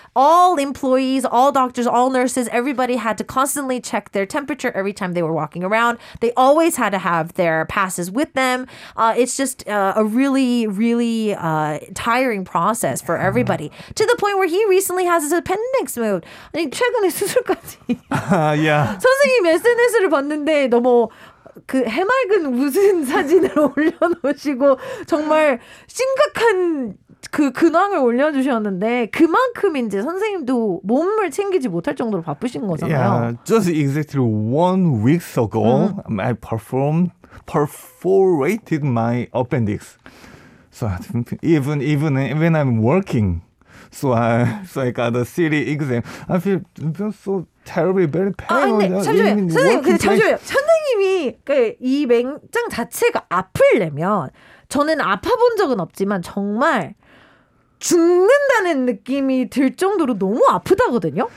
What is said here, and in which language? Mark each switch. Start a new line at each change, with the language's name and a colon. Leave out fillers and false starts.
English: All employees, all doctors, all nurses, everybody had to constantly check their temperature every time they were walking around. They always had to have their passes with them. It's just a really, really tiring process for everybody. To the point where he recently has his appendix moved.
Korean: 아니, 최근에 수술까지.
English: yeah.
Korean: 선생님 SNS를 봤는데 너무 그 해맑은 웃은 사진을 올려놓으시고 정말 심각한 그 근황을 올려주셨는데 그만큼 이제 선생님도 몸을 챙기지 못할 정도로 바쁘신 거잖아요.
English: Yeah, just exactly 1 week ago, I perforated my appendix. So even I'm working, so I got a CT exam. I feel so terribly very painful.
Korean: 아, 잠시만요. 선생님이 이 맹장 자체가 아플려면 저는 아파본 적은 없지만 정말 죽는다는 느낌이 들 정도로 너무 아프다거든요.